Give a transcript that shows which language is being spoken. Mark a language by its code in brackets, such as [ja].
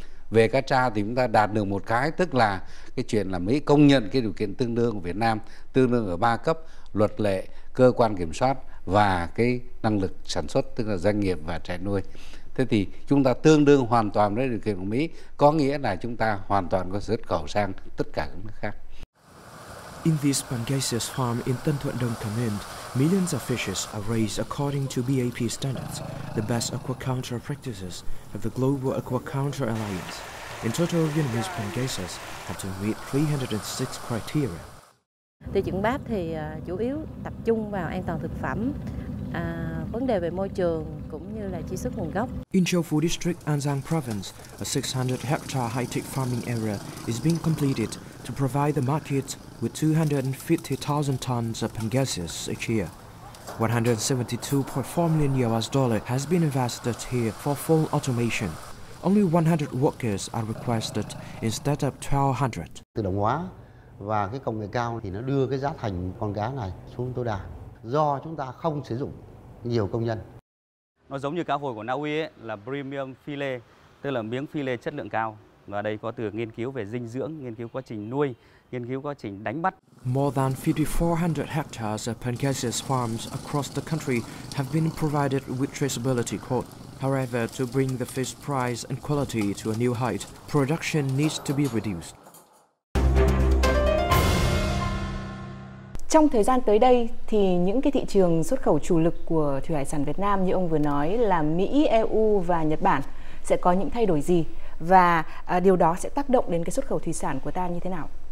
[vi] Về cá tra thì chúng ta đạt được một cái, tức là cái chuyện là Mỹ công nhận cái điều kiện tương đương của Việt Nam, tương đương ở ba cấp: luật lệ, cơ quan kiểm soát và cái năng lực sản xuất, tức là doanh nghiệp và trại nuôi. Thế thì chúng ta tương đương hoàn toàn với điều kiện của Mỹ, có nghĩa là chúng ta hoàn toàn có xuất khẩu sang tất cả các nước khác. [en] In this Pangasius farm in Tân Thuận Đông, Thái Nguyên, millions of fishes are raised according to BAP standards, the best aquaculture practices of the Global Aquaculture Alliance. In total, Vietnamese Pangasius have to meet 306 criteria. [vi] Tiêu chuẩn BAP thì chủ yếu tập trung vào an toàn thực phẩm, vấn đề về môi trường cũng như là truy xuất nguồn gốc. [en] In Châu Phú District, An Giang Province, a 600 hectare high-tech farming area is being completed to provide the market with 250,000 tons of pangasius each year. $172.4 million has been invested here for full automation. Only 100 workers are requested instead of 1,200. [vi] Tự động hóa và cái công nghệ cao thì nó đưa cái giá thành con cá này xuống tối đa, do chúng ta không sử dụng nhiều công nhân. Nó giống như cá hồi của Na Uy ấy, là premium fillet, tức là miếng fillet chất lượng cao. Và đây có từ nghiên cứu về dinh dưỡng, nghiên cứu quá trình nuôi, nghiên cứu quá trình đánh bắt. [en] More than 5,400 hectares of pangasius farms across the country have been provided with traceability code. However, to bring the fish price and quality to a new height, production needs to be reduced. [vi] Trong thời gian tới đây thì những cái thị trường xuất khẩu chủ lực của thủy hải sản Việt Nam như ông vừa nói là Mỹ, EU và Nhật Bản sẽ có những thay đổi gì? Và điều đó sẽ tác động đến cái xuất khẩu thủy sản của ta như thế nào?